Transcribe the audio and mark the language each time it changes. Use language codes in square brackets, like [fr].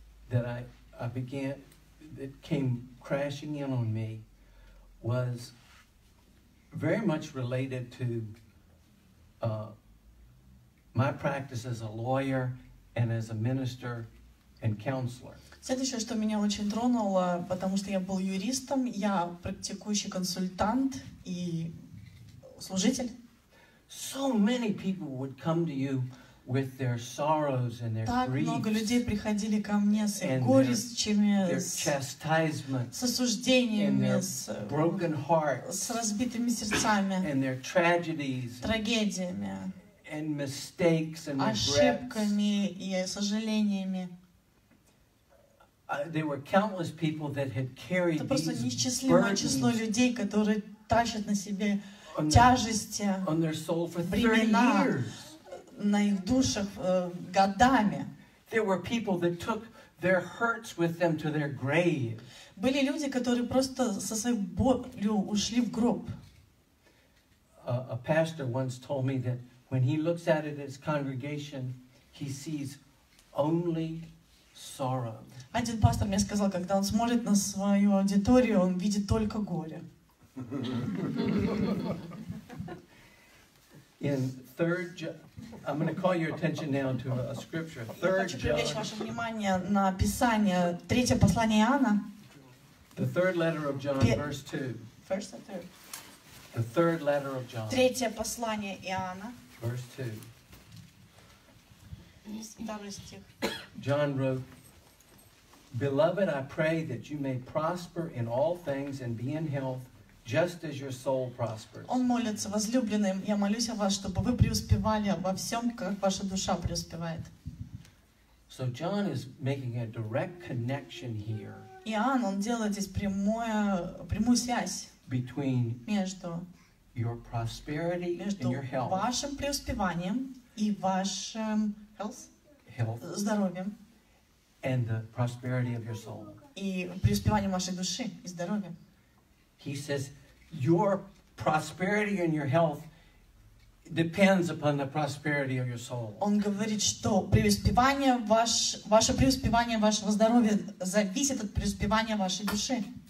[en] That I began, that came crashing in on me, was very much related to my practice as a lawyer and as a minister and counselor. [ru] Следующее, что меня очень тронуло, потому что я был юристом, я практикующий консультант и служитель. [en] So many people would come to you with their sorrows and their [ru] так [en] griefs. [ru] Так много людей приходили ко мне с горестями, [en] their chastisements, [ru] с осуждениями, [en] and their broken hearts, [ru] с разбитыми сердцами, [en] and their tragedies, [ru] трагедиями, [en] and mistakes and regrets, [ru] ошибками и сожалениями. [en] There were countless people that had carried these burdens. [ru] Это просто несчислимое число людей, которые тащат на себе тяжести, [en] on their soul for 30 years. [ru] На их душах годами. [en] There were people that took their hurts with them to their grave. [ru] Были люди, которые просто со своей болью ушли в гроб. [en] A pastor once told me that when he looks out at his congregation, he sees only sorrow. [ru] Один пастор мне сказал, когда он смотрит на свою аудиторию, он видит только горе. [en] In third, I'm going to call your attention now to a scripture. Third John. [ru] Я хочу привлечь ваше внимание на Писание, третье послание Иоанна. [en] The third letter of John, verse 2. First or third? The third letter of John. [ru] Третье послание Иоанна. [en] Verse 2. [ru] Второй стих. [en] John wrote, "Beloved, I pray that you may prosper in all things and be in health, just as your soul prospers." [ru] Он молится: "Возлюбленные, я молюсь о вас, чтобы вы преуспевали во всем, как ваша душа преуспевает." [en] So John is making a direct connection here. [ru] Иоанн, он делает здесь прямую связь. [en] Between [ru] между [en] your prosperity [ru] между [en] and your health. [ru] Вашим преуспеванием и вашим [en] health. [ru] Здоровьем [en] and the prosperity of your soul. [ru] И преуспеванием вашей души и здоровьем. [en] He says your prosperity and your health depends upon the prosperity of your soul. [ru] Он говорит, что преуспевание ваше преуспевание вашего здоровья зависит от преуспевания вашей души.